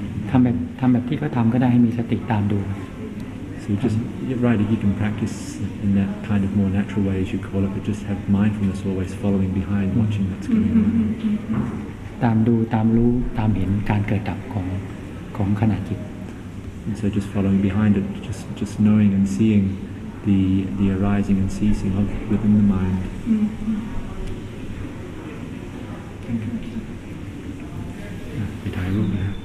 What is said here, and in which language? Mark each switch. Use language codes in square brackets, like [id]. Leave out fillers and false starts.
[th] ทำแบบที่เขาทำก็ได้ให้มีสติตามดู [en] So you just right if you can practice in that kind of more natural way as you call it but just have mindfulness always following behind watching what's going on [th] ตามดูตามรู้ตามเห็นการเกิดดับของขณะจิต [en] So just following behind it just knowing and seeing the arising and ceasing of within the mind [th] ไปถ่ายรูปนะ